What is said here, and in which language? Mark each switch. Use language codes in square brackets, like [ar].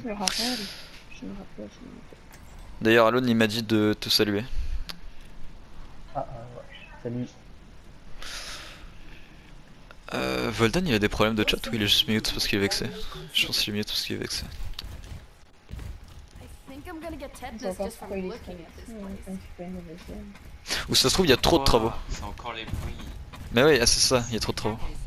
[fr] Je me rappelle. D'ailleurs, Alone il m'a dit de te saluer. Salut. Volden il a des problèmes de chat ou il est juste mute parce qu'il est vexé? Je pense qu'il est mute parce qu'il est vexé. [en] gonna get tetanus just from looking at this place. [fr] Ou ça se trouve, il y a trop de travaux. C'est encore les bruits. Mais oui, c'est ça, il y a trop de travaux.